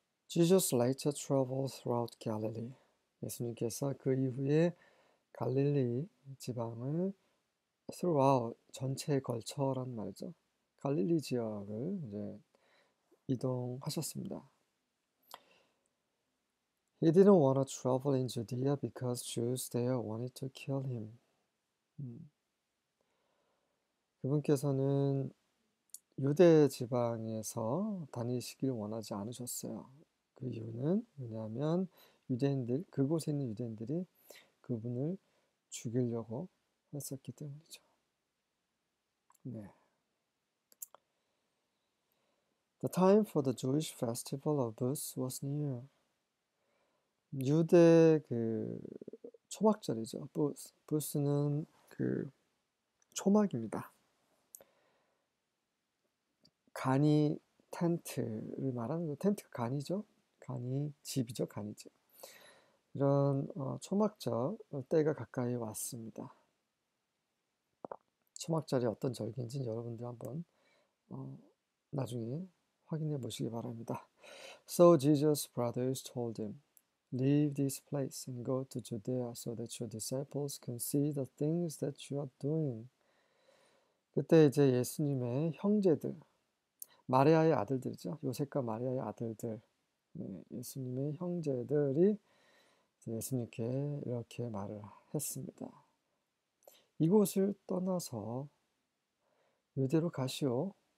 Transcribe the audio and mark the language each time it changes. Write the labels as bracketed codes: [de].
[en] Jesus later traveled throughout Galilee. [ko] 예수님께서 그 이후에 갈릴리 지방을 throughout 전체에 걸쳐란 말이죠. 갈릴리 지역을 이제 이동하셨습니다. [en] He didn't want to travel in Judea because Jews there wanted to kill him. [ko] 그분께서는 유대 지방에서 다니시길 원하지 않으셨어요. 그 이유는 왜냐하면 유대인들, 그곳에 있는 유대인들이 그분을 죽이려고 했었기 때문이죠. 네. [en] The time for the Jewish festival of booths was near. [ko] 유대 그 초막절이죠. Booths는 그 초막입니다. 간이 텐트를 말하는 거, 텐트가 간이죠. 간이 집이죠, 간이죠. 이런 초막절 때가 가까이 왔습니다. 초막절이 어떤 절기인지 여러분들 한번 나중에 확인해 보시기 바랍니다. [en] So Jesus' brothers told him, "Leave this place and go to Judea so that your disciples can see the things that you are doing." [ko] 그때 이제 예수님의 형제들, 마리아의 아들들이죠. 요셉과 마리아의 아들들. 네, 예수님의 형제들이 예수님께 이렇게 말을 했습니다. 이곳을 떠나서 유대로 가시오.